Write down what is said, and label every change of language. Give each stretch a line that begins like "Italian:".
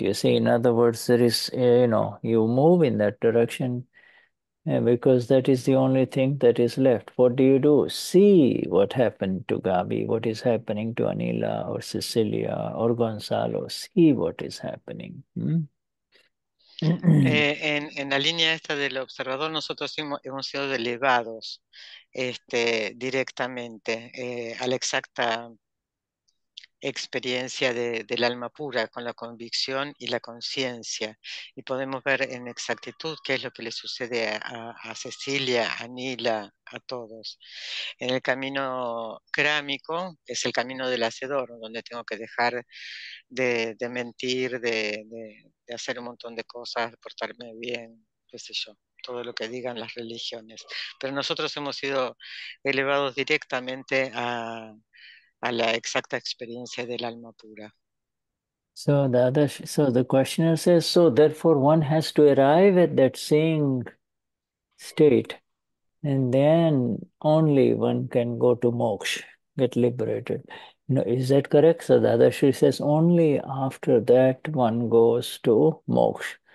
English: You see, in other words, there is, you know, you move in that direction because that is the only thing that is left. What do you do? See what happened to Gabi, what is happening to Anila or Cecilia or Gonzalo. See what is happening.
Spanish: En la línea esta del observador, nosotros hemos sido elevados directamente a la exacta experiencia del alma pura con la convicción y la conciencia, y podemos ver en exactitud qué es lo que le sucede a Cecilia, a Nila, a todos. En el camino krámico, es el camino del hacedor, donde tengo que dejar de mentir, de hacer un montón de cosas, de portarme bien, qué sé yo, todo lo que digan las religiones. Pero nosotros hemos sido elevados directamente a la exacta experiencia del alma pura.
English: So the questioner says, so therefore one has to arrive at that seeing state, and then only one can go to moksha, get liberated. No, is that correct? So Dadashri says only after that one goes to moksha.